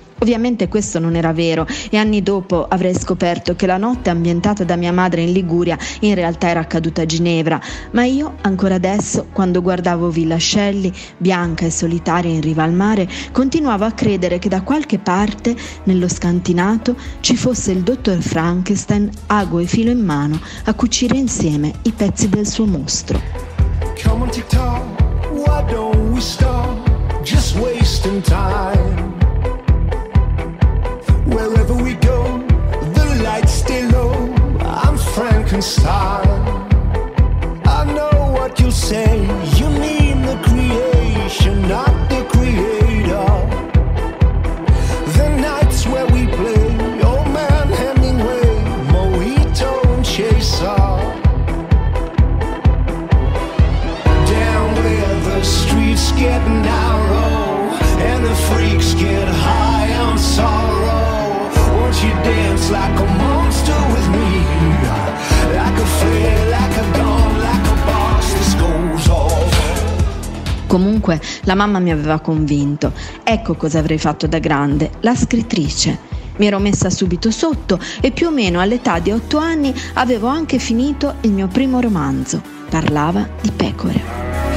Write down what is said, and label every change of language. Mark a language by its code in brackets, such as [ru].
[it] Ovviamente questo non era vero e anni dopo avrei scoperto che la notte ambientata da mia madre in Liguria in realtà era accaduta a Ginevra, ma io ancora adesso, quando guardavo Villa Shelley, bianca e solitaria in riva al mare, continuavo a credere che da qualche parte, nello scantinato, ci fosse il dottor Frankenstein, ago e filo in mano, a cucire insieme i pezzi del suo mostro. [en] Come on TikTok, why don't we stop just wasting time? Wherever we go, the lights stay low. I'm Frankenstein. I know what you'll say. You mean the creation, not the creator. The nights where we play, old man Hemingway, mojito and chaser. Down where the streets get narrow and the freaks get high on sorrow. You dance like a monster with me, like a fear, like a dawn, like a boss. This goes off. [it] Comunque, la mamma mi aveva convinto. Ecco cosa avrei fatto da grande: la scrittrice. Mi ero messa subito sotto e più o meno all'età di 8 anni avevo anche finito il mio primo romanzo. Parlava di pecore.